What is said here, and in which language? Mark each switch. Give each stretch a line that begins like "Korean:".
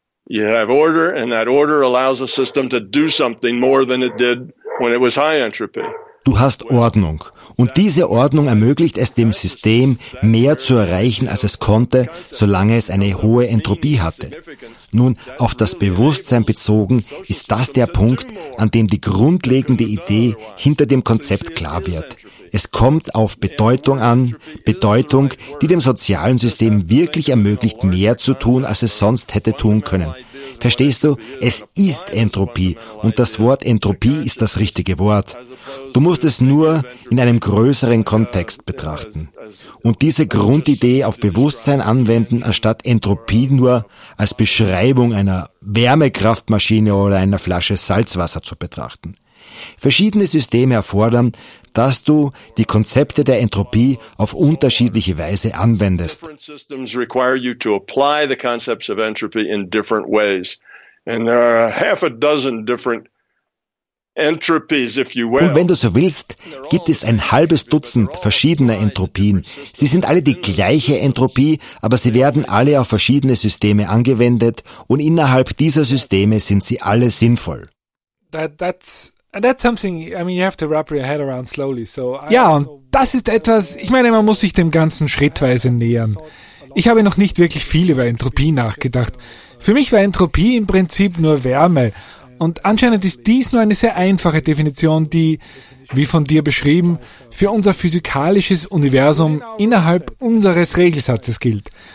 English: You have order, and that order allows a system to do something more than it did when it was high entropy.
German: Du hast Ordnung. Und diese Ordnung ermöglicht es dem System, mehr zu erreichen, als es konnte, solange es eine hohe Entropie hatte. Nun, auf das Bewusstsein bezogen, ist das der Punkt, an dem die grundlegende Idee hinter dem Konzept klar wird. Es kommt auf Bedeutung an, Bedeutung, die dem sozialen System wirklich ermöglicht, mehr zu tun, als es sonst hätte tun können. Verstehst du? Es ist Entropie und das Wort Entropie ist das richtige Wort. Du musst es nur in einem größeren Kontext betrachten und diese Grundidee auf Bewusstsein anwenden, anstatt Entropie nur als Beschreibung einer Wärmekraftmaschine oder einer Flasche Salzwasser zu betrachten. Verschiedene Systeme erfordern, dass du die Konzepte der Entropie auf unterschiedliche Weise anwendest.
English: Different systems require you to apply the concepts of entropy in different ways. And there are half a dozen different entropies, if you will.
German: Und wenn du so willst, gibt es ein halbes Dutzend verschiedener Entropien. Sie sind alle die gleiche Entropie, aber sie werden alle auf verschiedene Systeme angewendet und innerhalb dieser Systeme sind sie alle sinnvoll.
English: That's something, I mean, you have to wrap your head around slowly. So
German: ja, und das ist etwas, ich meine, man muss sich dem Ganzen schrittweise nähern. Ich habe noch nicht wirklich viel über Entropie nachgedacht. Für mich war Entropie im Prinzip nur Wärme. Und anscheinend ist dies nur eine sehr einfache Definition, die, wie von dir beschrieben, für unser physikalisches Universum innerhalb unseres Regelsatzes gilt.